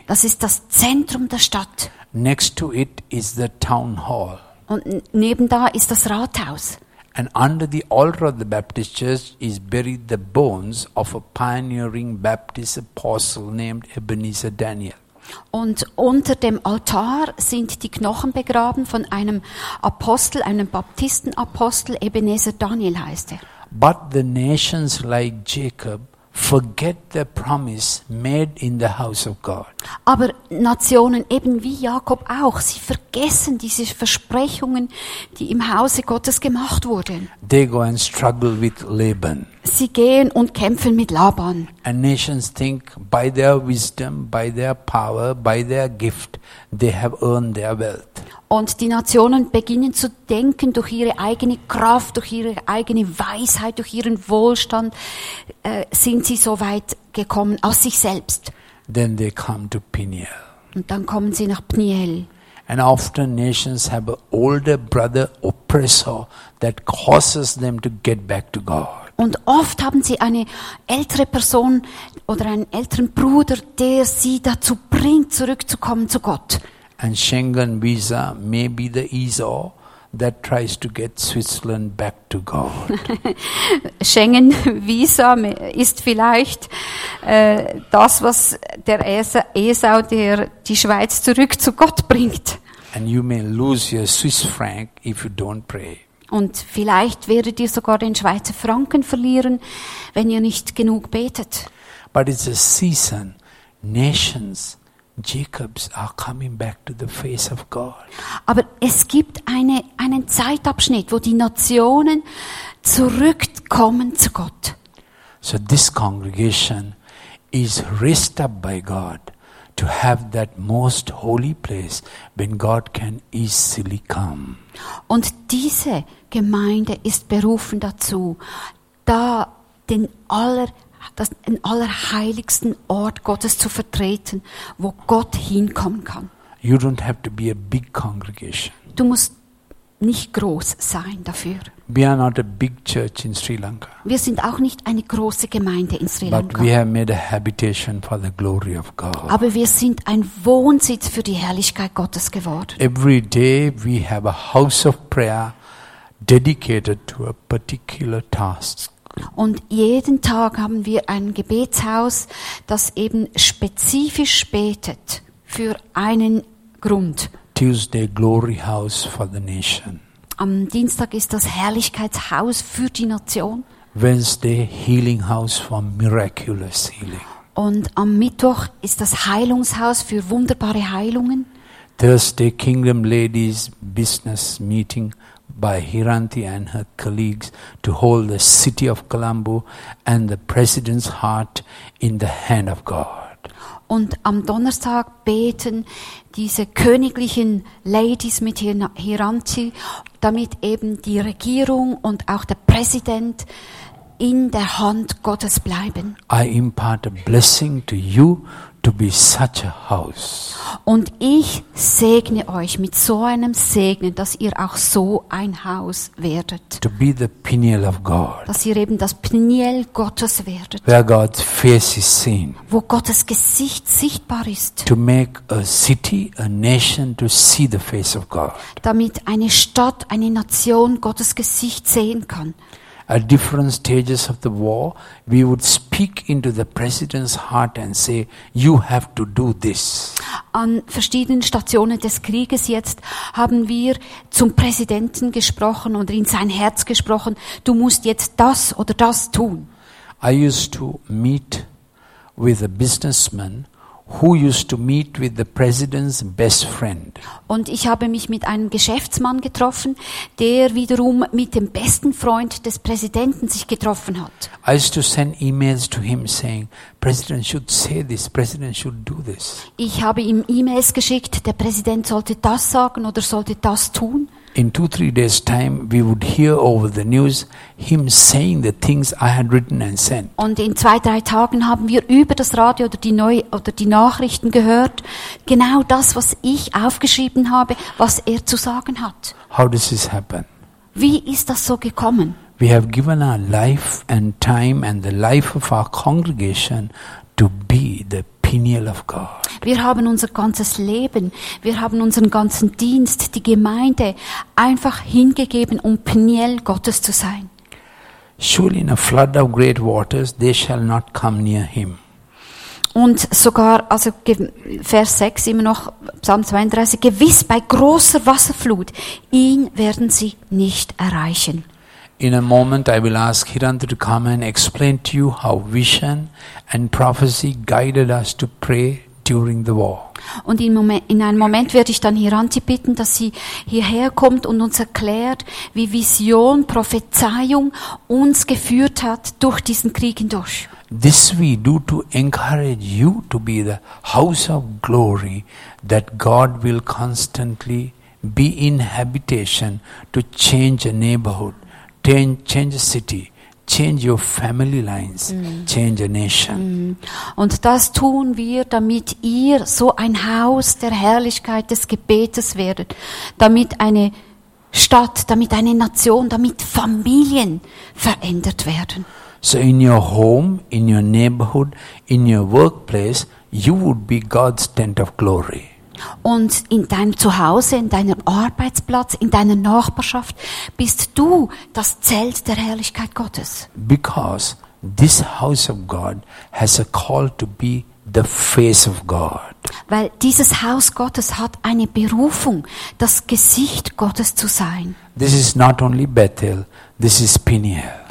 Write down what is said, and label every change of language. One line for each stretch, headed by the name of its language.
German: Das ist das Zentrum der Stadt.
English: Next to it is the town hall.
German: Und neben da ist das Rathaus.
English: And under the altar of the Baptist church is buried the bones of a pioneering Baptist apostle named Ebenezer Daniel.
German: Und unter dem Altar sind die Knochen begraben von einem Apostel, einem Baptistenapostel, Ebenezer Daniel heißt er.
English: But the nations like Jacob forget the promise made in the house of God.
German: Aber Nationen eben wie Jakob auch, sie vergessen diese Versprechungen, die im Hause Gottes gemacht wurden.
English: They go and struggle with Laban.
German: Sie gehen und kämpfen mit Laban.
English: And nations think by their wisdom, by their power, by their gift, they have earned their wealth.
German: Und die Nationen beginnen zu denken, durch ihre eigene Kraft, durch ihre eigene Weisheit, durch ihren Wohlstand, sind sie so weit gekommen aus sich selbst.
English: Then they come to Peniel.
German: Und dann kommen sie nach Peniel.
English: And often nations have an older brother oppressor that causes them to get back to God.
German: Und oft haben sie eine ältere Person oder einen älteren Bruder, der sie dazu bringt, zurückzukommen zu Gott.
English: And Schengen visa may be the ESO that tries to get Switzerland back to God.
German: Schengen visa ist vielleicht das, was der ESO, der die Schweiz zurück zu Gott bringt.
English: And you may lose your Swiss franc if you don't pray.
German: Und vielleicht werdet ihr sogar den Schweizer Franken verlieren, wenn ihr nicht genug betet.
English: But it's a season. Nations, Jacobs are coming back to the face of God.
German: Aber es gibt einen Zeitabschnitt, wo die Nationen zurückkommen zu Gott.
English: So this congregation is raised up by God to have that most holy place when God can easily come.
German: Und diese Gemeinde ist berufen dazu, da den allerheiligsten Ort Gottes zu vertreten, wo Gott hinkommen kann.
English: You don't have to be a big congregation.
German: Du musst nicht groß sein dafür.
English: We are not a big church in Sri Lanka.
German: Wir sind auch nicht eine große Gemeinde in Sri Lanka.
English: But we have made a habitation for the glory of God.
German: Aber wir sind ein Wohnsitz für die Herrlichkeit Gottes geworden.
English: Every day we have a house of prayer dedicated to a particular task.
German: Und jeden Tag haben wir ein Gebetshaus, das eben spezifisch betet für einen Grund.
English: Tuesday Glory House for the Nation.
German: Am Dienstag ist das Herrlichkeitshaus für die Nation.
English: Wednesday Healing House for miraculous healing.
German: Und am Mittwoch ist das Heilungshaus für wunderbare Heilungen.
English: Thursday Kingdom Ladies Business Meeting by Hiranti and her colleagues to hold the city of Colombo and the president's heart in the hand of God.
German: Und am Donnerstag beten diese königlichen Ladies mit Hiranti, damit eben die Regierung und auch der Präsident in der Hand Gottes bleiben.
English: I impart a blessing to you to be such a house.
German: Und ich segne euch mit so einem Segen, dass ihr auch so ein Haus werdet.
English: To be the pineal of God.
German: Dass ihr eben das Pineal Gottes werdet.
English: Where God's face is seen.
German: Wo Gottes Gesicht sichtbar ist.
English: To make a city, a nation to see the face of God.
German: Damit eine Stadt, eine Nation Gottes Gesicht sehen kann.
English: At different stages of the war, we would speak into the president's heart and say, "You have to do this."
German: An verschiedenen Stationen des Krieges jetzt haben wir zum Präsidenten gesprochen und in sein Herz gesprochen. Du musst jetzt das oder das tun.
English: I used to meet with a businessman who used to meet with the president's best friend.
German: Und ich habe mich mit einem Geschäftsmann getroffen, der wiederum mit dem besten Freund des Präsidenten sich getroffen hat.
English: I used to send emails to him saying, "President should say this, President should do this."
German: Ich habe ihm E-Mails geschickt, der Präsident sollte das sagen oder sollte das tun.
English: In 2-3 days time we would hear over the news him saying the things I had written and sent.
German: Und in 2-3 Tagen haben wir über das Radio oder die Nachrichten gehört, genau das, was ich aufgeschrieben habe, was er zu sagen hat.
English: How does this happen?
German: Wie ist das so gekommen?
English: We have given our life and time and the life of our congregation to be the pineal of God.
German: Wir haben unser ganzes Leben, wir haben unseren ganzen Dienst, die Gemeinde einfach hingegeben, um Pineal Gottes zu sein.
English: Surely in a flood of great waters they shall not come near him.
German: Und sogar, also Vers 6 immer noch, Psalm 32, gewiss bei großer Wasserflut, ihn werden sie nicht erreichen.
English: In a moment I will ask Hiranti to come and explain to you how vision and prophecy guided us to pray during the war.
German: Und in einem Moment werde ich dann Hiranti bitten, dass sie hierher kommt und uns erklärt, wie Vision, Prophezeiung uns geführt hat durch diesen Krieg hindurch.
English: This we do to encourage you to be the house of glory that God will constantly be in habitation to change a neighborhood. Change a city, change your family lines, change a nation.
German: Und das tun wir, damit ihr so ein Haus der Herrlichkeit des Gebetes werdet, damit eine Stadt, damit eine Nation, damit Familien verändert werden.
English: So in your home, in your neighborhood, in your workplace, you would be God's tent of glory.
German: Und in deinem Zuhause, in deinem Arbeitsplatz, in deiner Nachbarschaft bist du das Zelt der Herrlichkeit Gottes.
English: Because this house of God has a call to be the face of God.
German: Weil dieses Haus Gottes hat eine Berufung, das Gesicht Gottes zu sein.
English: This is not only Bethel, this is Peniel.